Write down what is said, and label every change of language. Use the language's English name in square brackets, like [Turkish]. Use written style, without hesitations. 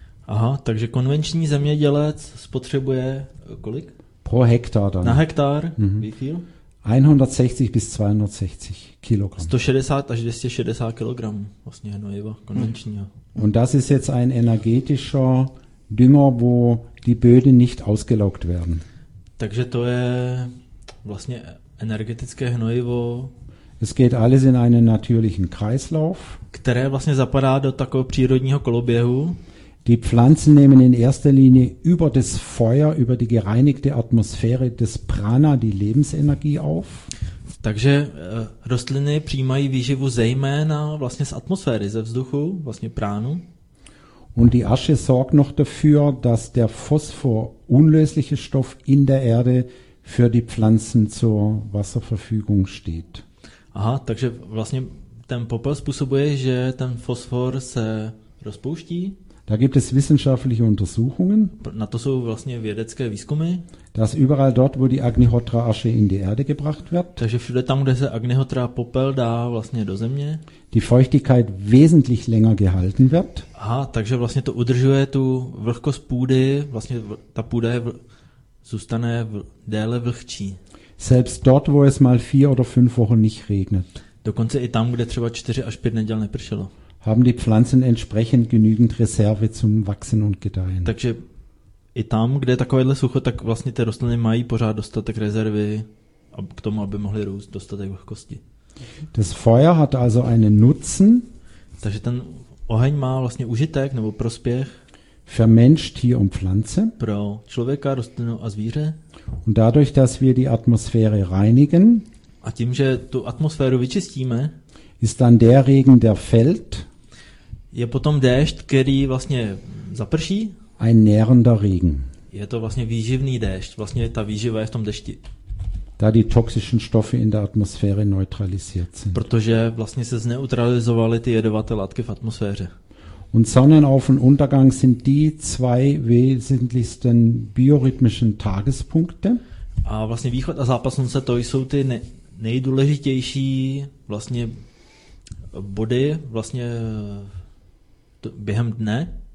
[Czech] Aha, takže konvenční zemědělec spotřebuje kolik? [German] Pro Hektar dann. [Czech] Na hektar, [German] wie viel? 160 bis 260 Kilogramm. [Czech] 160 až 260 Kilogramm vlastně hnojiva konvenčního. [German] Und das ist jetzt ein energetischer Dünger, wo die Böden nicht ausgelaugt werden. [Czech] Takže to je vlastně energetické hnojivo. [German] Es geht alles in einen natürlichen Kreislauf. [Czech] Které vlastně zapadá do takového přírodního koloběhu. [German] Die Pflanzen nehmen in erster Linie über das Feuer, über die gereinigte Atmosphäre, das Prana, die Lebensenergie auf. [Czech] Takže rostliny přijímají výživu zejména vlastně z atmosféry, ze vzduchu, vlastně pránu. [German] Und die Asche sorgt noch dafür, dass der Phosphor, unlösliche Stoff in der Erde, für die Pflanzen zur Wasserverfügung steht. [Czech] Aha, takže vlastně ten popel způsobuje, že ten fosfor se rozpouští. [German] Da gibt es wissenschaftliche Untersuchungen. [Czech] Na to jsou vlastně vědecké výzkumy. [German] Dass überall dort, wo die Agnihotra Asche in die Erde gebracht wird. [Czech] Takže všude tam, kde se Agnihotra popel dá vlastně do země. [German] Die Feuchtigkeit wesentlich länger gehalten wird. [Czech] Aha, takže vlastně to udržuje tu vlhkost půdy, vlastně ta půda je zůstane déle vlhčí. [German] Selbst dort, wo es mal 4 oder 5 Wochen nicht regnet. [Czech] Dokonce i tam, kde třeba 4 až 5 neděl nepršelo. [German] Haben die Pflanzen entsprechend genügend Reserve zum Wachsen und Gedeihen. [Czech] Takže i tam, kde je takovéhle sucho, tak vlastně ty rostliny mají pořád dostatek rezervy k tomu, aby mohly růst dostatek vlhkosti. [German] Das Feuer hat also einen Nutzen. [Czech] Takže ten oheň má vlastně užitek nebo prospěch. [German] Für Mensch, Tier und Pflanze. [Czech] Pro člověka, rostlinu a zvíře. [German] Und dadurch, dass wir die Atmosphäre reinigen. [Czech] A tím, že tu atmosféru vyčistíme. [German] Ist dann der Regen, der fällt. [Czech] Je potom déšť, který vlastně zaprší. [German] Ein nährender Regen. [Czech] Je to vlastně výživný déšť. Vlastně ta výživa je v tom dešti. [German] Da die toxischen Stoffe in der Atmosphäre neutralisiert sind. [Czech] Protože vlastně se zneutralizovaly ty jedovaté látky v atmosféře. [German] Und Sonnenauf- und Untergang sind die zwei wesentlichsten biorhythmischen Tagespunkte. [Czech] A vlastně východ a západ slunce, to jsou ty nejdůležitější vlastně body vlastně během dne.